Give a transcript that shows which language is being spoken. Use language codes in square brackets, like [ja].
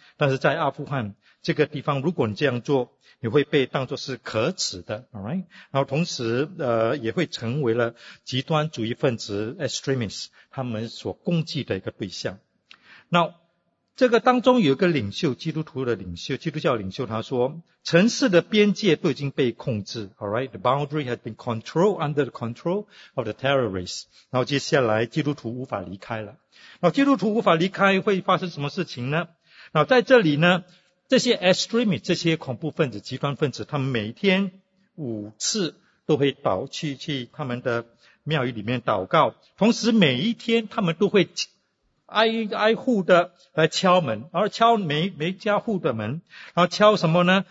[zh] 但是在阿富汗这个地方，如果你这样做，你会被当作是可耻的， [en] alright? [zh] 然后同时也会成为了极端主义分子 extremists 他们所攻击的一个对象。那这个当中有一个领袖，基督徒的领袖，基督教领袖，他说城市的边界都已经被控制， [en] alright? The boundary has been controlled under the control of the terrorists. [zh] 然后接下来基督徒无法离开了。那基督徒无法离开会发生什么事情呢？那在这里呢，这些 extremists 这些恐怖分子极端分子，他们每天5次都会去他们的庙宇里面祷告，同时每一天他们都会挨户的来敲门，然后敲每家户的门，然后敲什么呢？